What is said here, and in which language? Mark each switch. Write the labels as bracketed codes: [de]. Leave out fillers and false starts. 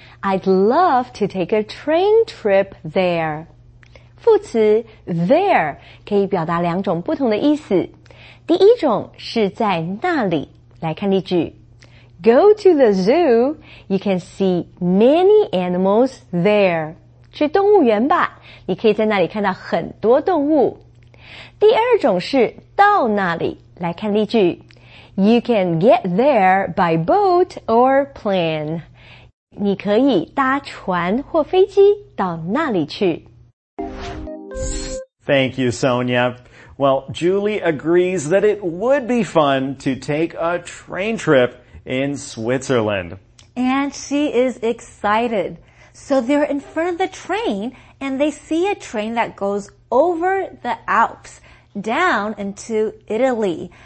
[en] I'd love to take a train trip there. [zh] 副词 there 可以表达两种不同的意思。第一种是在那里。来看例句。 [en] Go to the zoo, you can see many animals there. [zh] 去动物园吧，你可以在那里看到很多动物。第二种是到那里，来看例句。 [en] You can get there by boat or plane. [zh] 你可以搭船或飞机到那里去。 [en] Thank you, Sonia. Well, Julie agrees that it would be fun to take a train trip in Switzerland. And she is excited. So they're in front of the train and they see a train that goes over the Alps down into Italy.